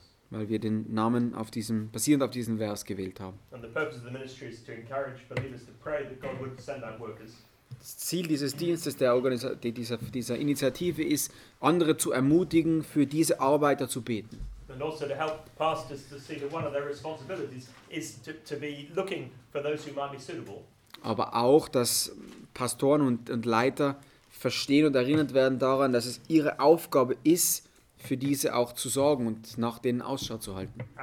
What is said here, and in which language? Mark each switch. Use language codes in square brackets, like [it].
[de] Weil wir den Namen basierend auf diesem Vers gewählt haben. Das Ziel dieses Dienstes, dieser Initiative ist, andere zu ermutigen, für diese Arbeiter zu beten. [en] And also to help pastors to see that one of their responsibilities is to be looking for those who might be suitable. [de] Aber auch, dass Pastoren und Leiter verstehen und erinnert werden daran, dass es ihre Aufgabe ist, für diese auch zu sorgen und nach denen Ausschau zu halten.